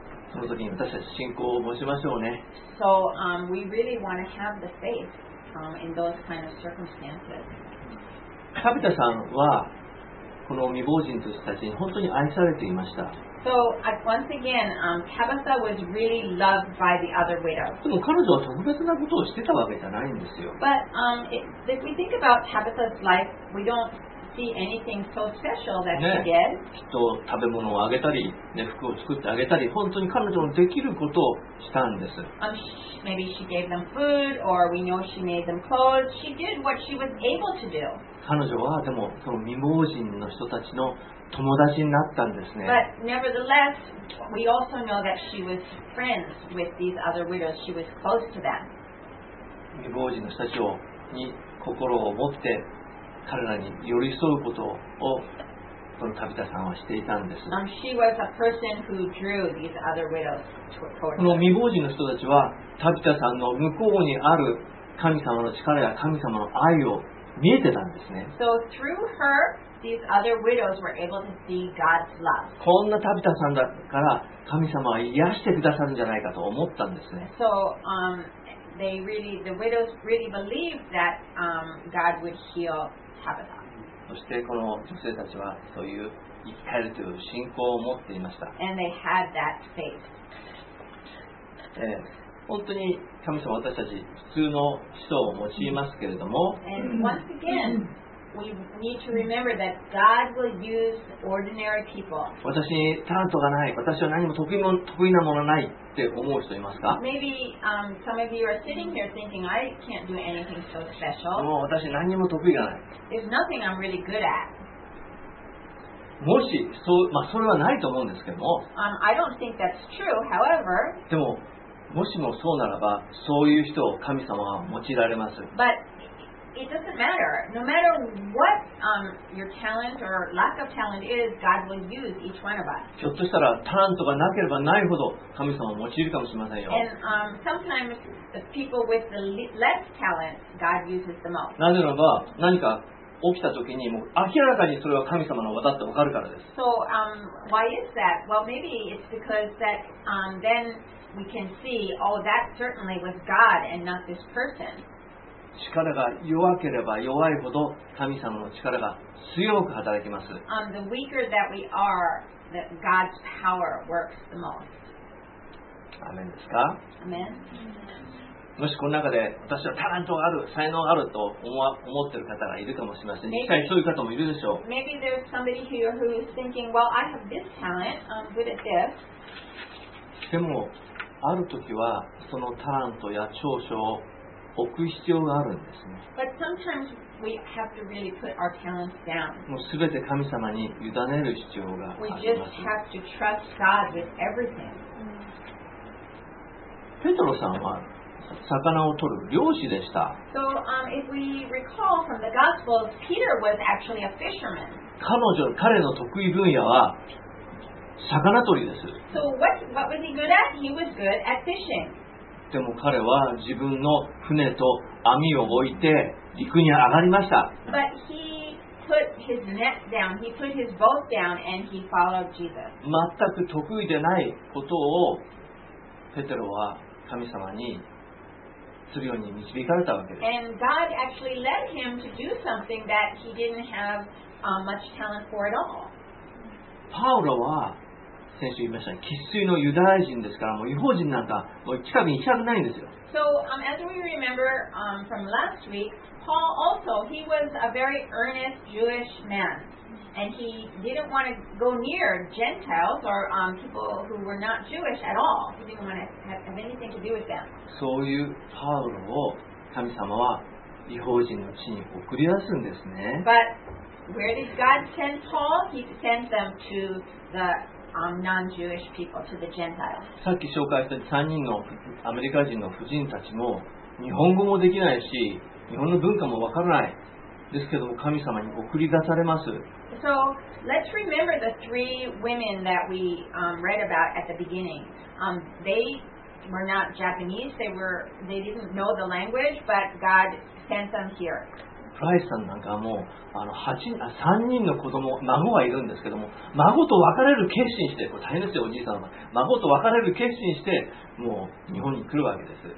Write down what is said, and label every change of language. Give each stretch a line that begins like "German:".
Japanese: その時に私たち信仰を持ちましょうね。
English: So, we really want to have the faith, in those kind of circumstances.
Japanese: タビタさんはこの未亡人たちに本当に愛されていました。
English: So, once again, Tabitha was really loved by the other widows.
Japanese: でも彼女は特別なことをしてたわけじゃないんですよ。
English: But, if we think about Tabitha's life, we don't see anything so special that she did.
Japanese: きっと食べ物をあげたり、ね、服を作ってあげたり、本当に彼女のできることをしたんです。
English: Maybe she gave them food, or we know she made them clothes. She did what she was able to do.
Japanese: 彼女はでもその未亡人の人たちの友達になったんですね。
English: But nevertheless, we also know that she was friends with these other widows. She was close to them.
Japanese: 未亡人の人たちをに心を持って彼らに寄り添うことをこのタビタさんはしていたんです。
English: She was a person who drew these other widows toward.
Japanese: この未亡人の人たちはタビタさんの向こうにある神様の力や神様の愛を見えてたんですね。
English: So through her, these other widows were able to see God's love.
Japanese: こんなタビタさんだから神様は癒してくださるんじゃないかと思ったんですね。
English: So, the widows really believed that God would heal.
Japanese: そしてこの女性たちはそういう生き返るという信仰を持っていました。
English: And they had that faith.
Japanese: 本当に神様は私たち普通の人を用いますけれども、
English: And once again, we need to remember that God will use ordinary people.
Japanese: 私にタラントがない、私は何も得意なものないって思う人いますか？
English: Maybe some of you are sitting here thinking I can't do anything so special.
Japanese: もう私何も得意がない。
English: There's nothing I'm really good at.
Japanese: もしそう、まあそれはないと思うんですけども。
English: I don't think that's true. However.
Japanese: でももしもそうならばそういう人を神様は用いられます。
English: But it doesn't matter. No matter what your talent or lack of talent is, God will use each one of us.
Japanese: ひょっとしたらタラントがなければないほど神様を用いるかもしれませんよ。
English: And sometimes the people with the less talent, God uses the most.
Japanese: なぜならば何か起きた時にもう明らかにそれは神様の技ってわかるからです。
English: So why is that? Well, maybe it's because that then we can see, oh, that certainly was God and not this person.
Japanese: 力が弱ければ弱いほど神様の力が強く働きます。
English: The weaker that we are, that God's power works the most.
Japanese: アメンですか？アメン。もしこの中で私はタラントがある、才能があると思っている方がいるかもしれません。実際そういう方もいるでしょう。
English: Maybe there's somebody here who's thinking, well, I have this talent, I'm good at this.
Japanese: でも、ある時はそのタラントや長所を置く必要があるんですね。
English: But sometimes we have to really put our talents down.
Japanese: もう全て神様に委ねる必要があります。
English: We just have to trust God with everything.
Japanese: ペトロさんは魚を取る漁師でした。
English: So, if we recall from the Gospels, Peter was actually a fisherman.
Japanese: 彼の得意分野は魚取りです。
English: So, what was he good at? He was good at fishing.
Japanese: でも彼は自分の船と網を置いて陸に上がりました。
English: But he put his net down. He put his boat down and he followed Jesus.
Japanese: 全く得意でないことをペテロは神様にするように導かれたわけです。
English: And God actually led him to do something that he didn't have much talent for at all.
Japanese: パウロは先週言いました、ね、生粋のユダヤ人ですから、もう違法人なんかもう近くに行きたくないんですよ。
English: So, as we remember, from last week, Paul also, he was a very earnest Jewish man. And he didn't want to go near Gentiles or people who were not Jewish at all. He didn't want to have anything to do with them.
Japanese: そういうパウロを神様は異邦人の地に送り出すんですね。
English: But where did God send Paul? He sent them to the non-Jewish people, to the Gentiles.
Japanese: さっき紹介した3人のアメリカ人の婦人たちも日本語もできないし、日本の文化もわからない。ですけども神様に送り出されます。
English: So let's remember the three women that we read about at the beginning. They were not Japanese. They didn't know the language, but God sent them here.
Japanese: プライスさんなんかもあの3人の子供、孫がいるんですけども、孫と別れる決心して、これ大変ですよおじいさんは、孫と別れる決心してもう日本に来るわけです。